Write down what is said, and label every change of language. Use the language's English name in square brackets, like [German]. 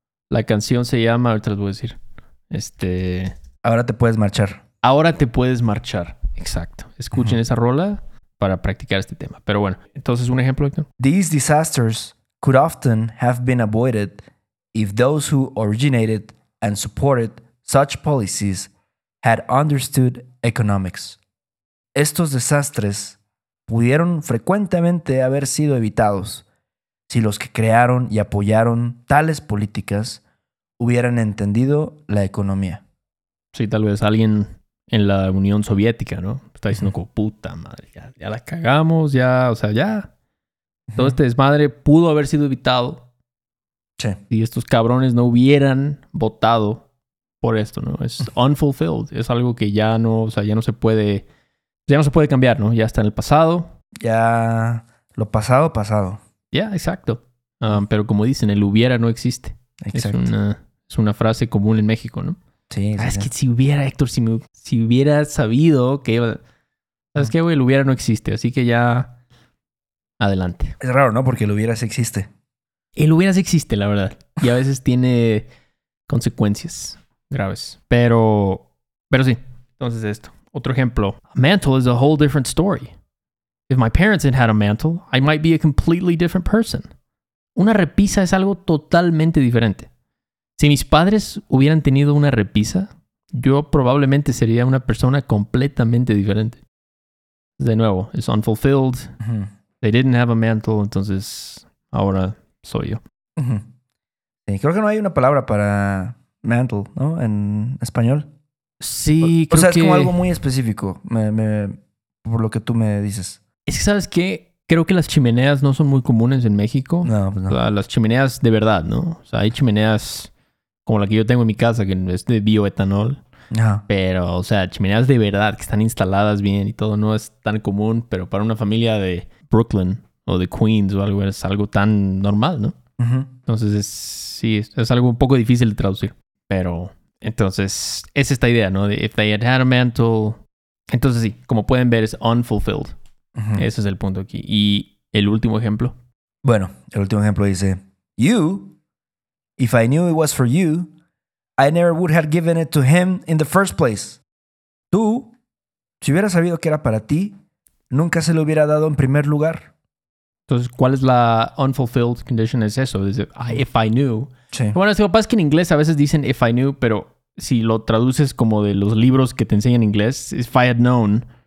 [Spanish] La canción se llama, ahorita les voy a decir. Ahora te puedes marchar. Ahora te puedes marchar. Exacto. Escuchen uh-huh. esa rola para practicar este tema. Pero bueno, entonces un ejemplo. [English] These disasters could often have been avoided if those who originated and supported such policies had understood economics. [Spanish] Estos desastres pudieron frecuentemente haber sido evitados si los que crearon y apoyaron tales políticas hubieran entendido la economía. Sí, tal vez alguien en la Unión Soviética, ¿no? Está diciendo como, puta madre, ya la cagamos, ya, o sea, ya. Uh-huh. Todo este desmadre pudo haber sido evitado. Sí. Y estos cabrones no hubieran votado por esto, ¿no? Es unfulfilled. Es algo que ya no, o sea, ya no se puede cambiar, ¿no? Ya está en el pasado. Ya lo pasado, pasado. Ya, yeah, exacto. Pero como dicen, el hubiera no existe. Exacto. Es una frase común en México, ¿no? Sí. Ah, es que si hubiera, Héctor, si hubiera sabido que iba... ¿Sabes qué, güey? El hubiera no existe. Así que ya, adelante. Es raro, ¿no? Porque el hubiera sí existe. El hubieras existe, la verdad. y a veces tiene consecuencias graves. Pero sí. Entonces esto. Otro ejemplo. [English] A mantle is a whole different story. If my parents had had a mantle, I might be a completely different person. [Spanish] Una repisa es algo totalmente diferente. Si mis padres hubieran tenido una repisa, yo probablemente sería una persona completamente diferente. De nuevo, [English] it's unfulfilled. [Spanish] Uh-huh. [English] They didn't have a mantle, [Spanish] entonces ahora soy yo. Uh-huh. Sí, creo que no hay una palabra para mantle, ¿no? En español. Sí, creo que... O sea, es como algo muy específico, por lo que tú me dices. Es que, ¿sabes qué? Creo que las chimeneas no son muy comunes en México. No, pues no. O sea, las chimeneas de verdad, ¿no? O sea, hay chimeneas como la que yo tengo en mi casa, que es de bioetanol. Ajá. Pero, o sea, chimeneas de verdad, que están instaladas bien y todo, no es tan común. Pero para una familia de Brooklyn o de Queens o algo, es algo tan normal, ¿no? Uh-huh. Entonces, es algo un poco difícil de traducir. Pero, entonces, es esta idea, ¿no? De [English] if they had had a mantle... [Spanish] Entonces, sí, como pueden ver, es unfulfilled. Uh-huh. Ese es el punto aquí. ¿Y el último ejemplo? Bueno, el último ejemplo dice... [English] You, if I knew it was for you, I never would have given it to him in the first place. [Spanish] Tú, si hubieras sabido que era para ti, nunca se lo hubiera dado en primer lugar. Entonces, ¿cuál es la unfulfilled condition? Es eso. Es decir, [English] if I knew. [Spanish] Sí. Bueno, lo que pasa es que en inglés a veces dicen [English] if I knew, [Spanish] pero si lo traduces como de los libros que te enseñan en inglés, [English] if I had known...